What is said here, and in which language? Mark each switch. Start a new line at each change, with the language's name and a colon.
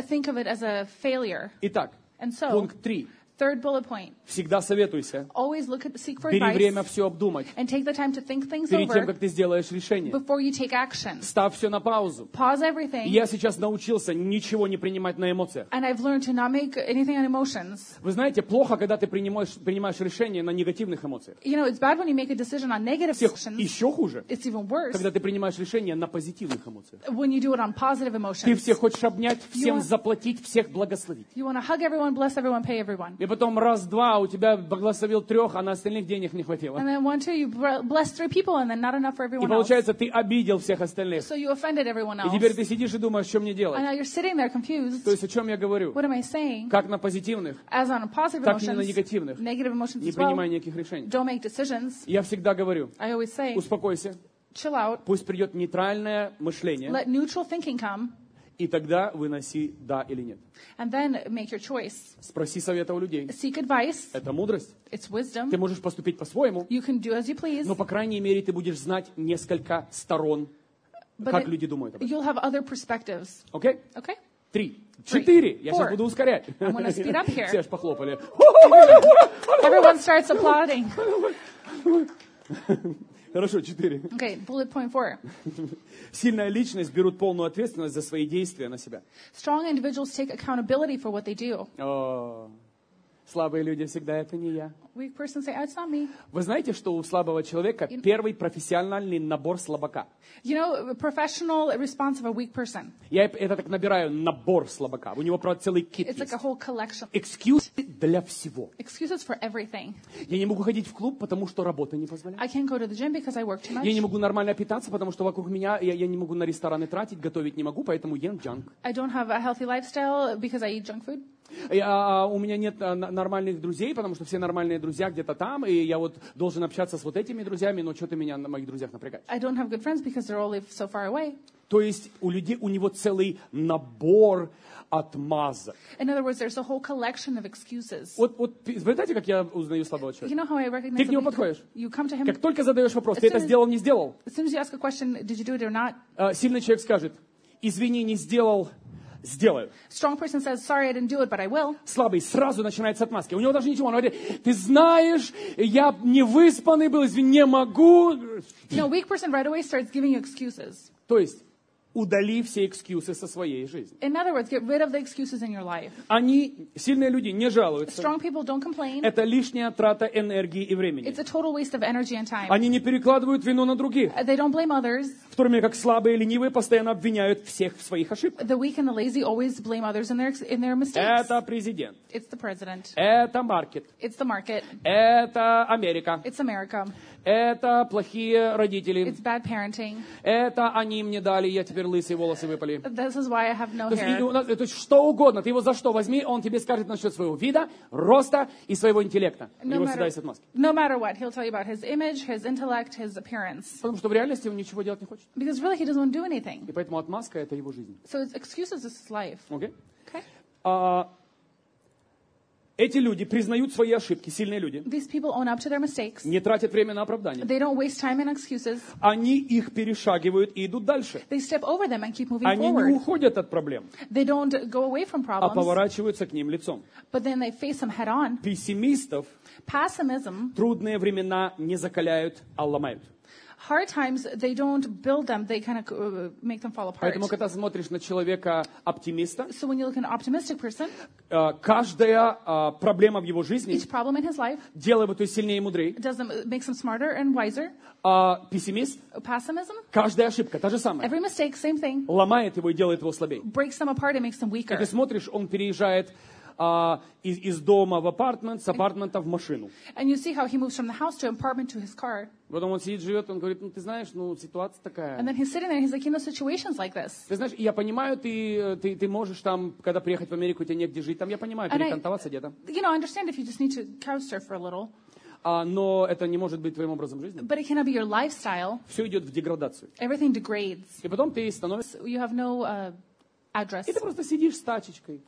English: Think of it as a failure.
Russian: Итак,
English: and so,
Russian: пункт 3.
English: Third bullet point.
Russian: Всегда советуйся.
English: Always look at, seek for
Russian: Бери
English: advice.
Russian: Время все обдумать.
English: And take the time to think things
Russian: перед
English: over.
Russian: Перед тем, как ты сделаешь решение.
English: Before you take action.
Russian: Ставь все на паузу.
English: Pause everything.
Russian: Я сейчас научился ничего не принимать на эмоциях.
English: And I've learned to not make anything on emotions.
Russian: Вы знаете, плохо, когда ты принимаешь решение на негативных эмоциях.
English: You know, it's bad when you make a decision on negative emotions.
Russian: Еще хуже.
English: It's even worse.
Russian: Когда ты принимаешь решение на позитивных эмоциях.
English: When you do it on positive emotions.
Russian: Ты всех хочешь обнять, всем заплатить, всех благословить.
English: You want to hug everyone, bless everyone, pay everyone.
Russian: И потом раз, два, у тебя благословил трех, а на остальных денег не хватило.
English: And then one, two, you blessed three people, and then not enough for everyone else.
Russian: И получается, ты обидел всех остальных.
English: So you offended everyone else.
Russian: И теперь ты сидишь и думаешь, что мне делать?
English: And now you're sitting there confused.
Russian: То есть о чем я говорю?
English: What am I saying?
Russian: Как на позитивных?
English: As on positive
Russian: так
English: emotions.
Russian: Так и на негативных.
English: Negative emotions as well.
Russian: Не принимай никаких решений.
English: Don't make decisions.
Russian: Я всегда говорю.
English: I always say.
Russian: Успокойся.
English: Chill out.
Russian: Пусть придет нейтральное мышление.
English: Let neutral thinking come.
Russian: И тогда выноси да или нет.
English: And then make your choice.
Russian: Спроси совета у людей.
English: Seek advice.
Russian: Это мудрость.
English: It's wisdom.
Russian: Ты можешь поступить по-своему.
English: You can do as you please.
Russian: Но, по крайней мере, ты будешь знать несколько сторон,
English: But
Russian: как люди думают об этом.
English: You'll have other perspectives. Okay? Okay?
Russian: Три. Четыре. Я сейчас буду ускорять.
English: I'm gonna speed up here.
Russian: Все аж похлопали.
English: Everyone starts applauding.
Russian: Хорошо, четыре.
English: Okay, bullet point four.
Russian: Сильная личность берут полную ответственность за свои действия на себя.
English: Strong individuals take accountability for what they do.
Russian: Слабые люди всегда, это не я.
English: Weak person say, oh, it's not me.
Russian: Вы знаете, что у слабого человека первый профессиональный набор слабака?
English: You know, a professional response of a weak person.
Russian: Я это так набираю, набор слабака. У него правда целый кит
English: It's
Russian: есть.
English: It's like a whole collection.
Russian: Excuses для всего.
English: Excuses for everything.
Russian: Я не могу ходить в клуб, потому что работа не позволяет.
English: I can't go to the gym because I work too much.
Russian: Я не могу нормально питаться, потому что вокруг меня, я не могу на рестораны тратить, готовить не могу, поэтому ем junk.
English: I don't have a healthy lifestyle because I eat junk food.
Russian: У меня нет нормальных друзей, потому что все нормальные друзья где-то там, и я вот должен общаться с вот этими друзьями, но что-то меня на моих друзьях напрягает.
English: I don't have good friends because they're all live so far away.
Russian: То есть у людей, у него целый набор отмазок.
English: In other words, there's a whole collection of excuses.
Russian: Вот, вы знаете, как я узнаю слабого человека?
English: You know how I recognize
Russian: ты к нему подходишь?
English: You come to him.
Russian: Как только задаешь вопрос, ты это сделал, не сделал?
English: As soon as you ask a question, did you do it or not?
Russian: Сильный человек скажет, извини, не сделал. Сделаю.
English: Strong person says, sorry, I didn't do it, but I will.
Russian: Слабый сразу начинает с отмазки. У него даже ничего. Он говорит, ты знаешь, я не выспанный был, извини, не могу.
English: You know, weak person right away starts giving you excuses.
Russian: То есть, удали все excuses со своей жизни.
English: In other words, get rid of the excuses in your life.
Russian: Они, сильные люди, не жалуются.
English: Strong people don't complain.
Russian: Это лишняя трата энергии и времени.
English: It's a total waste of energy and time.
Russian: Они не перекладывают вину на других.
English: They don't blame others.
Russian: В то время как слабые и ленивые постоянно обвиняют всех в своих ошибках.
English: The weak and the lazy always blame others in their mistakes.
Russian: Это президент.
English: It's the president.
Russian: Это маркет.
English: It's the market.
Russian: Это Америка.
English: It's America.
Russian: Это плохие родители.
English: It's bad parenting.
Russian: Это они мне дали, я теперь лысые волосы выпали.
English: This is why I have no hair.
Russian: То есть что угодно, ты его за что возьми, он тебе скажет насчет своего вида, роста и своего интеллекта. У него всегда есть отмазки.
English: No matter what, he'll tell you about his image, his intellect, his appearance.
Russian: Потому что в реальности он ничего делать не хочет.
English: Because really he doesn't want to do anything.
Russian: И поэтому отмазка это его жизнь.
English: So his excuses is his life. Okay. Okay.
Russian: Эти люди признают свои ошибки, сильные люди.
English: These people own up to their mistakes.
Russian: Не тратят время на оправдания.
English: They don't waste time in excuses.
Russian: Они их перешагивают и идут дальше.
English: They step over them and keep moving
Russian: Они
English: forward.
Russian: Не уходят от проблем.
English: They don't go away from problems.
Russian: А поворачиваются к ним лицом.
English: But then they face them head on.
Russian: Пессимистов
English: Pessimism.
Russian: Трудные времена не закаляют, а ломают.
English: Hard times, they don't build them, they kind of make them fall apart.
Russian: Поэтому, когда смотришь на человека оптимиста,
English: so when you look at an optimistic person,
Russian: каждая проблема в его жизни,
English: each problem in his life,
Russian: делает его сильнее и мудрее,
English: does them, makes them smarter and wiser,
Russian: пессимист,
English: pessimism,
Russian: каждая ошибка, та же самая,
English: every mistake, same thing,
Russian: ломает его и делает его слабее,
English: breaks them apart and makes them weaker.
Russian: И ты смотришь, он переезжает из дома в апартмент, с апартмента в машину.
English: And you see how he moves from the house to apartment to his car.
Russian: Потом он сидит, живет, он говорит, ну ты знаешь, ну ситуация такая.
English: And then he's sitting there, he's like, you know, situations like this.
Russian: Ты знаешь, я понимаю, ты можешь там, когда приехать в Америку, тебе негде жить, там я понимаю, перекантоваться где-то.
English: You know, I understand if you just need to couch surf for a little.
Russian: Но это не может быть твоим образом жизни.
English: But it cannot be your lifestyle.
Russian: Все идет в деградацию.
English: Everything degrades.
Russian: И потом ты становишься.
English: You have no address.
Russian: И ты просто сидишь с тачечкой.